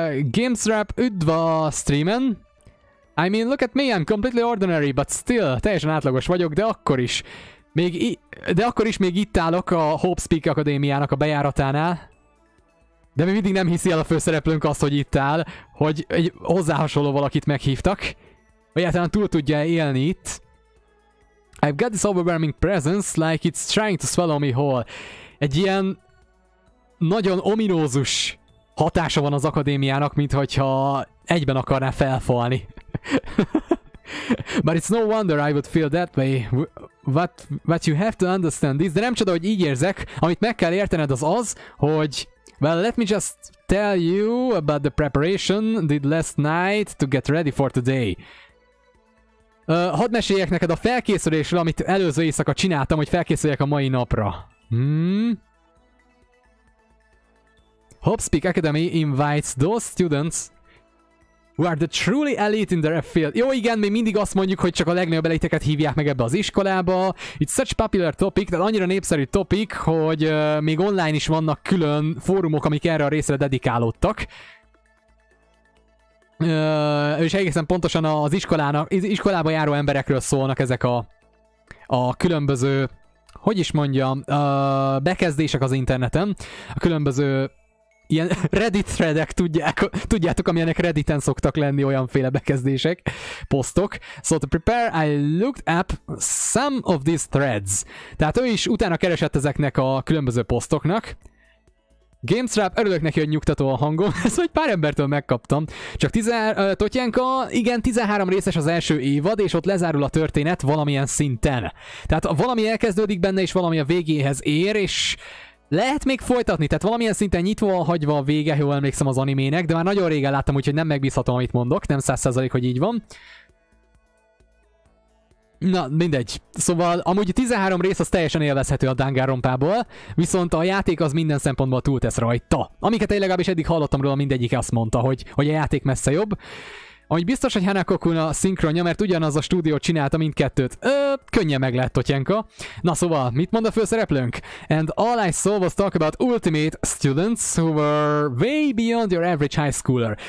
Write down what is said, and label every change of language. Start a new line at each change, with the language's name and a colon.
Hungarian: Gamesrap, üdv a streamen.
English: I mean, look at me, I'm completely ordinary, but still,
Hungarian: teljesen átlagos vagyok, de akkor is. Még itt állok a Hope Speak Akadémiának a bejáratánál. De mi mindig nem hiszi el a főszereplőnk azt, hogy itt áll, hogy egy hozzá hasonló valakit meghívtak. Vagy általán túl tudja élni itt.
English: I've got this overwhelming presence, like it's trying to swallow me whole.
Hungarian: Egy ilyen nagyon ominózus hatása van az akadémiának, mintha egyben akarná felfalni.
English: But it's no wonder I would feel that way. What you have to understand is,
Hungarian: de nem csoda, hogy így érzek. Amit meg kell értened az, hogy...
English: Well, let me just tell you about the preparation did last night to get ready for today.
Hungarian: Hadd meséljek neked a felkészülésről, amit előző éjszaka csináltam, hogy felkészüljek a mai napra.
English: Hopspeak Academy invites those students who are the truly elite in their field.
Hungarian: Jó, igen, mi mindig azt mondjuk, hogy csak a legnagyobb eliteket hívják meg ebbe az iskolába.
English: It's such popular topic,
Hungarian: tehát annyira népszerű topic, hogy még online is vannak külön fórumok, amik erre a részre dedikálódtak. És egészen pontosan az iskolába járó emberekről szólnak ezek a különböző, hogy is mondjam, bekezdések az interneten. A különböző ilyen Reddit threadek, tudjátok, amilyenek Redditen szoktak lenni olyanféle bekezdések, posztok. So to prepare, I looked up some of these threads. Tehát ő is utána keresett ezeknek a különböző posztoknak. Gamesrap, örülök neki, hogy nyugtató a hangom, ezt hogy pár embertől megkaptam. Csak Totyanka, igen, 13 részes az első évad, és ott lezárul a történet valamilyen szinten. Tehát valami elkezdődik benne, és valami a végéhez ér, és lehet még folytatni, tehát valamilyen szinten nyitva hagyva a vége, jól emlékszem az animének, de már nagyon régen láttam, úgyhogy nem megbízhatom, amit mondok, nem 100%, hogy így van. Na, mindegy. Szóval, amúgy 13 rész az teljesen élvezhető a Danganronpából, viszont a játék az minden szempontból túltesz rajta. Amiket én legalábbis eddig hallottam róla, mindegyik azt mondta, hogy a játék messze jobb. Amúgy biztos, hogy Hanako-kun a szinkronja, mert ugyanaz a stúdió csinálta mindkettőt. Könnyen meg lehet, Totyanka. Na szóval, mit mond a főszereplőnk?
English: And all I saw was talk about ultimate students who were way beyond your average high schooler.